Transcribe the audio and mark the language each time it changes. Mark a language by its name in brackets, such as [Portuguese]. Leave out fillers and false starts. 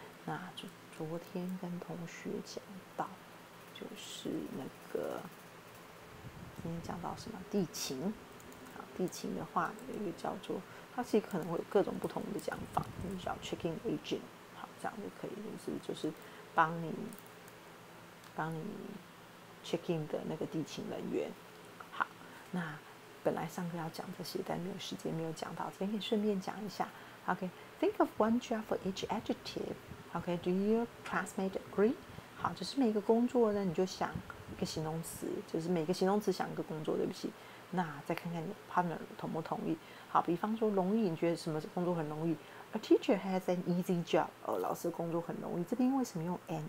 [Chinese] 那就昨天跟同学讲到。就是那个，今天讲到什么地勤，啊，地勤的话有一个叫做，它其实可能会有各种不同的讲法，你叫 checking agent，好，这样就可以，就是帮你帮你 check in 的那个地勤人员。好，那本来上课要讲这些，但没有时间，没有讲到，今天顺便讲一下。 [English] OK, think of one job for each adjective. OK, do your classmates agree? [Chinese] 好，就是每一个工作呢，你就想一个形容词，就是每个形容词想一个工作，对不起。那再看看你 partner 同不同意。好，比方说容易，你觉得什么工作很容易？ [English] A teacher has an easy job. [Chinese] 老师的工作很容易。这边为什么用 an?